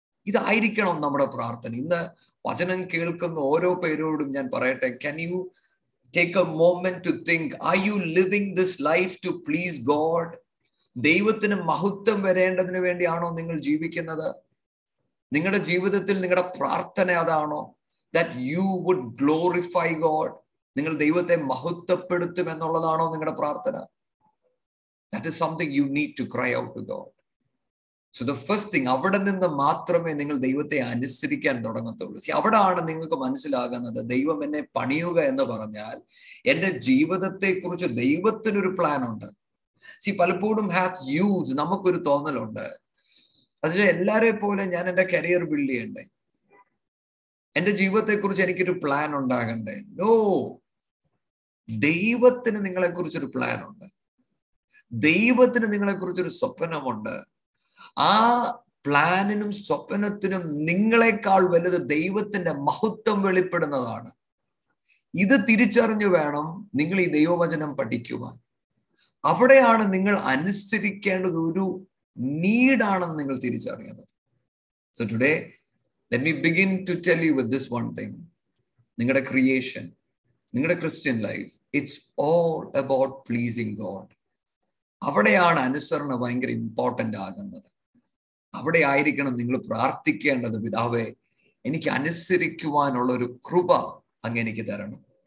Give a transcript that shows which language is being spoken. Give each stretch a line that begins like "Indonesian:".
Malayalam: ഇതായിരിക്കണം നമ്മുടെ പ്രാർത്ഥന. ഇന്ന് വചനം കേൾക്കുന്ന ഓരോ പേരോടും ഞാൻ പറയട്ടെ,
English: Can you take a moment to think, are you living this life to please God?
Malayalam: ദൈവത്തിന് മഹത്വം വരേണ്ടതിന് വേണ്ടിയാണോ നിങ്ങൾ ജീവിക്കുന്നത്? നിങ്ങളുടെ ജീവിതത്തിൽ നിങ്ങളുടെ പ്രാർത്ഥന അതാണോ?
English: That you would glorify God.
Malayalam: നിങ്ങൾ ദൈവത്തെ മഹത്വപ്പെടുത്തും എന്നുള്ളതാണോ നിങ്ങളുടെ പ്രാർത്ഥന?
English: That is something you need to cry out to God. So the first thing,
Malayalam: അവിടെ നിന്ന് മാത്രമേ നിങ്ങൾ ദൈവത്തെ അനുസരിക്കാൻ തുടങ്ങത്തുള്ളൂ. See, അവിടെയാണ് നിങ്ങൾക്ക് മനസ്സിലാകുന്നത് ദൈവം എന്നെ പണിയുക എന്ന് പറഞ്ഞാൽ എൻ്റെ ജീവിതത്തെ കുറിച്ച് ദൈവത്തിനൊരു പ്ലാൻ ഉണ്ട്. See, പലപ്പോഴും
English: has used,
Malayalam: നമുക്കൊരു തോന്നലുണ്ട്, അതിന് എല്ലാരെ പോലെ ഞാൻ എൻ്റെ കരിയർ ബിൽഡ് ചെയ്യണ്ടേ, എന്റെ ജീവിതത്തെ കുറിച്ച് എനിക്കൊരു പ്ലാൻ ഉണ്ടാകണ്ടേ. നോ, ദൈവത്തിന് നിങ്ങളെ കുറിച്ചൊരു പ്ലാൻ ഉണ്ട്, ദൈവത്തിന് നിങ്ങളെ കുറിച്ചൊരു സ്വപ്നമുണ്ട്. ആ പ്ലാനിനും സ്വപ്നത്തിനും നിങ്ങളെക്കാൾ വലുത് ദൈവത്തിന്റെ മഹത്വം വെളിപ്പെടുന്നതാണ്. ഇത് തിരിച്ചറിഞ്ഞു വേണം നിങ്ങൾ ഈ ദൈവവചനം പഠിക്കുവാൻ. അവിടെയാണ് നിങ്ങൾ അനുസരിക്കേണ്ടത് ഒരു നീഡാണെന്ന് നിങ്ങൾ തിരിച്ചറിയുന്നത്.
English: So today Let me begin to tell you with this one thing.
Malayalam: നിങ്ങളുടെ ക്രിയേഷൻ, നിങ്ങളുടെ Christian life,
English: It's all about pleasing God.
Malayalam: അവിടെയാണ് അനുസരണ ഭയങ്കര ഇമ്പോർട്ടൻ്റ് ആകുന്നത്. അവിടെ ആയിരിക്കണം നിങ്ങൾ പ്രാർത്ഥിക്കേണ്ടത്, പിതാവേ എനിക്ക് അനുസരിക്കുവാനുള്ള ഒരു കൃപ അങ്ങ് എനിക്ക് തരണം.